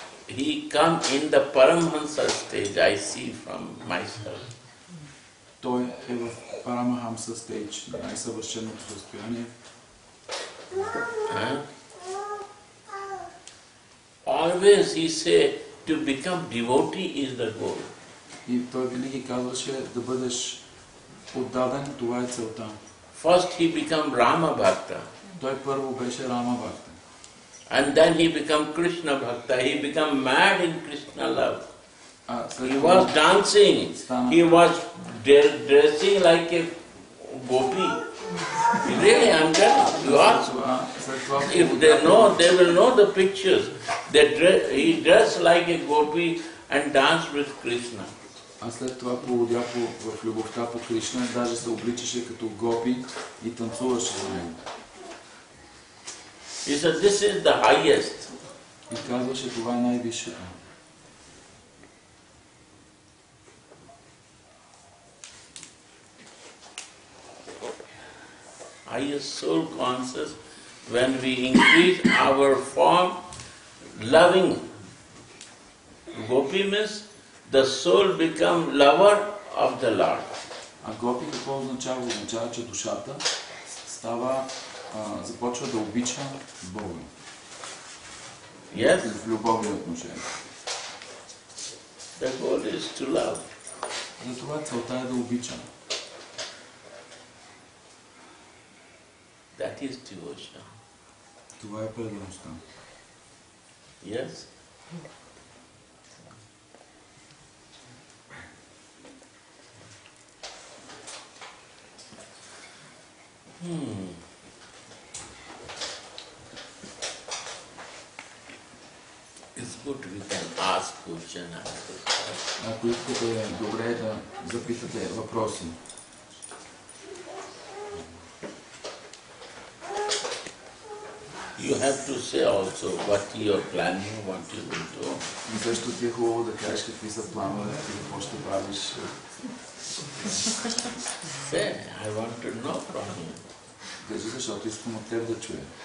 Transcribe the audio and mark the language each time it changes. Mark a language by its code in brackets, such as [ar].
[en] He come in the Paramahamsa stage, I see from myself. [bg] Той е в Paramahamsa stage, най-съвършеното състояние. [en] Always he say to become devotee is the goal. [bg] И той винаги казваше да бъдеш отдаден, това е целта. [en] First he became Rama Bhakta. [bg] Той първо беше Рама Бхакта. [en] And then he became Krishna Bhakta. He became mad in Krishna love. He was dancing. He was dressing like a gopi. Really, I'm telling you. If they know, they will know the pictures. They dress, he dressed like a gopi and danced with Krishna. [bg] А след това полудяхо в любовта по Кришна, даже се обличаше като гопи и танцуваше за него. [en] He said, this is the highest. [bg] И казваше, това е най-висшето. [en] Highest soul conscious, when we increase our form, loving. Gopi means the soul become lover of the Lord. [bg] А гопи какво означава? Означава, че душата става, започва да обича Бога. [en] Yes. [bg] В любовни отношения. [en] The goal is to love. [bg] Затова целта е да обичам. [en] That is devotion. [bg] Това е предаността. [en] Yes. It's good we can ask question. [bg] Ако искате, добре е да запитате въпроси. [en] You have to say also what you are planning, what you will do. [bg] И също ти е хубаво да кажеш какви са планове и какво ще правиш. [en] Say, I want to know from you. [bg] Кажи, защото искам от теб да чуя.